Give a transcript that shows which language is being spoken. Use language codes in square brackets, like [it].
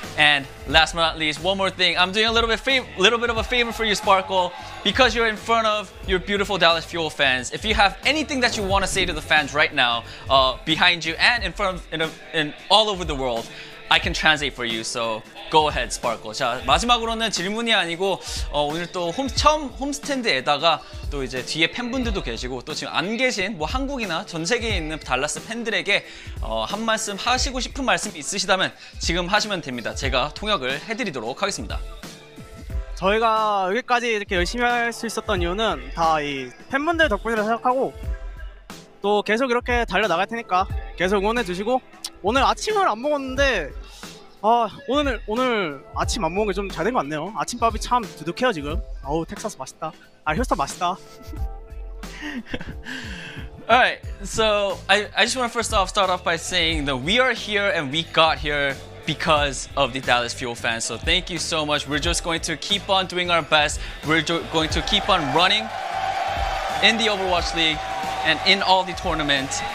[en] And last but not least, one more thing. I'm doing a little bit of a favor for you, Sparkle, because you're in front of your beautiful Dallas Fuel fans. If you have anything that you want to say to the fans right now, behind you and in front of, in all over the world, I can translate for you, so go ahead, Sparkle. [ko] 자, 마지막으로는 질문이 아니고 오늘 또 처음 홈스탠드에다가 또 이제 뒤에 팬분들도 계시고 또 지금 안 계신 뭐 한국이나 전 세계에 있는 달라스 팬들에게 한 말씀 하시고 싶은 말씀 있으시다면 지금 하시면 됩니다. 제가 통역을 해드리도록 하겠습니다. 저희가 여기까지 이렇게 열심히 할 수 있었던 이유는 다 이 팬분들 덕분이라고 생각하고 또 계속 이렇게 달려나갈 테니까 계속 응원해 주시고 오늘 아침을 안 먹었는데 오늘 아침 안 먹은 게 좀 잘 된 것 같네요. 아침밥이 참 두둑해요 지금. 아우 텍사스 맛있다. 아 휴스턴 맛있다. [en] Alright, so I just want to first off start off by saying that we are here and we got here because of the Dallas Fuel fans. So thank you so much. We're just going to keep on doing our best. We're going to keep on running in the Overwatch League and in all the tournaments.